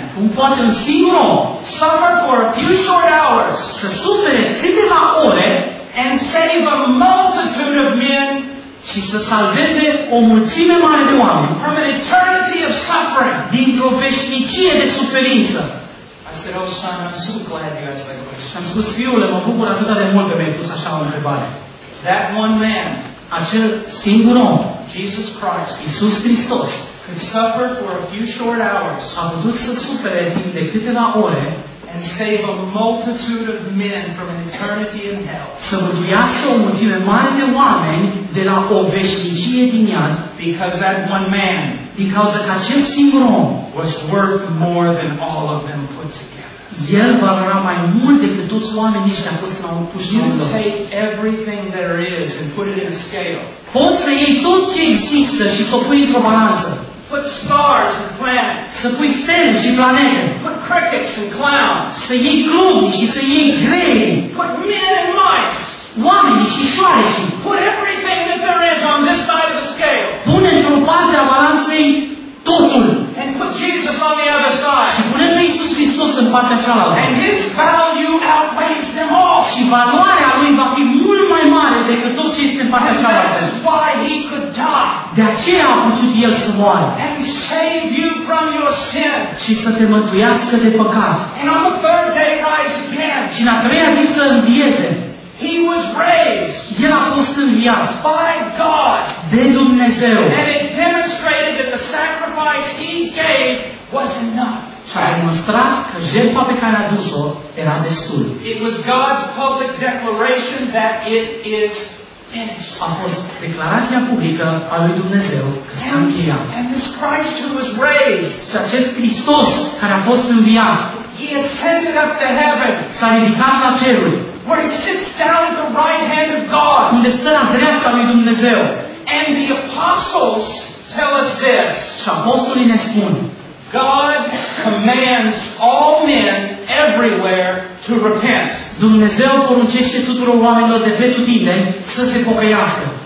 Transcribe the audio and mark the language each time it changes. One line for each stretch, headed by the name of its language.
Romanian: cum poate un singur om,
English: suffer for a few short hours,
Romanian: să sufere câteva ore,
English: and save a multitude of men,
Romanian: și să salveze o mulțime mare de oameni,
English: from an eternity of suffering,
Romanian: dintr-o veșnicie de suferință.
English: I said, oh son, I'm so glad you asked that question.
Romanian: Și am spus, fiule, mă bucur atât de mult că mi-ai pus așa o întrebare.
English: That one man,
Romanian: acel singur om,
English: Jesus Christ,
Romanian: Iisus Hristos,
English: could suffer for a few short hours,
Romanian: a putut să sufere timp de câteva ore,
English: and save a multitude of men from an eternity in hell,
Romanian: să mântuiască o mulțime mare de oameni de la o veșnicie din iad,
English: because that one man, because of
Romanian: acel singur om,
English: was worth more than all of them put together.
Romanian: El valora mai mult decât toți oamenii ăștia puși la un pușcător.
English: You take everything there is and put it in a scale.
Romanian: Poți să iei tot ce există și să o pui într-o balanță.
English: Put stars and planets.
Romanian: Să pui stele și planete.
English: Put crickets and clowns.
Romanian: Să iei glumi și să iei grei.
English: Put men and mice.
Romanian: Oameni și șoareci.
English: Put everything that there is on this side of the scale.
Romanian: Pune într-o parte a balanței totul.
English: And put Jesus on the other side.
Romanian: Și pune pe Iisus Hristos în partea cealaltă.
English: And his value outweighs them all.
Romanian: Și valoarea lui va fi mult mai mare decât tot ce este în partea cealaltă.
English: And that's why he could die.
Romanian: De aceea a putut el să moară.
English: And save you from your sin.
Romanian: Și să te mântuiască de păcat.
English: And on the third day rise again.
Romanian: Și în a treia zi să învieze.
English: He was raised.
Romanian: El a fost înviat.
English: By God.
Romanian: De Dumnezeu.
English: And it demonstrated that the sacrifice he gave was enough.
Romanian: Și a demonstrat că jertfa pe care a dus-o era destul.
English: It was God's public declaration that it is finished.
Romanian: A fost declarația publică a lui Dumnezeu că s-a încheiat.
English: And this Christ who was raised.
Romanian: Și acest Hristos care a fost înviat.
English: He ascended up to heaven.
Romanian: S-a ridicat la ceruri.
English: Where he sits down at the right hand of God.
Romanian: Unde stă la dreapta lui Dumnezeu.
English: And the apostles tell us this.
Romanian: Și apostolii ne spun.
English: God commands all men everywhere to repent.
Romanian: Dumnezeu poruncește tuturor oamenilor de pe tutindeni să se pocăiască.